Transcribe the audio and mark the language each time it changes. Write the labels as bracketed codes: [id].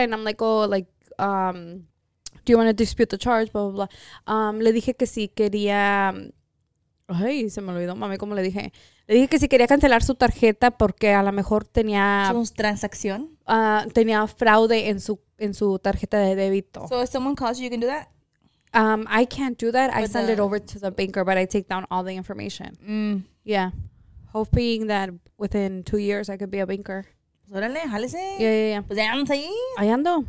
[en] And I'm like, oh, like, do you want to dispute the charge? Blah, blah, blah. [es] Le dije que sí quería... Ay, se me olvidó, mami, ¿cómo le dije? Le dije que si quería cancelar su tarjeta porque a lo mejor tenía... ¿Su transacción? Tenía fraude en su tarjeta de débito. [en] So, if someone calls you, you can do that? I can't do that. But I send it over to the banker, but I take down all the information. Mm. Yeah. Hoping that within 2 years I could be a banker. [es] Órale, jálese. [en] Yeah. [es] Pues ahí ando.